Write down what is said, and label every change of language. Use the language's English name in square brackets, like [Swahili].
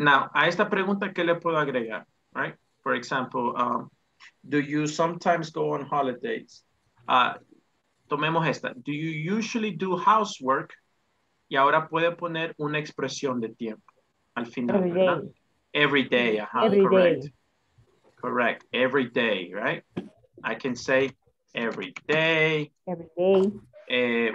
[English] Now, [Spanish] a esta pregunta, ¿qué le puedo agregar? [English] Right? For example, do you sometimes go on holidays? [Spanish] Tomemos esta. [English] Do you usually do housework? [Spanish] Y ahora puede poner una expresión de tiempo al final. [English] Every [Spanish] ¿verdad? [English] Day. Every day. Uh-huh. Every Correct. Day. Correct. Every day, right? I can say every day. Every day.